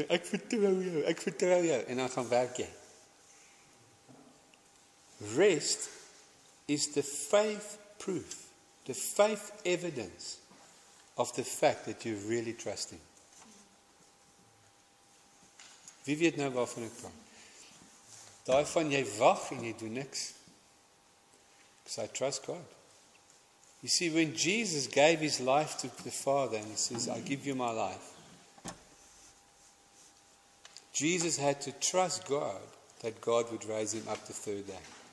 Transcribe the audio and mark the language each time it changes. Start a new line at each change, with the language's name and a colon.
Afrikaans: Ek vertrou jou, en dan gaan werk jy.
English: Rest is the faith proof, the faith evidence of the fact that you're really trusting.
Afrikaans: Wie weet nou waarvan ek kom? Daai van jy wag en jy doen niks.
English: Because I trust God. You see, when Jesus gave His life to the Father and He says, I give you my life. Jesus had to trust God that God would raise Him up the third day.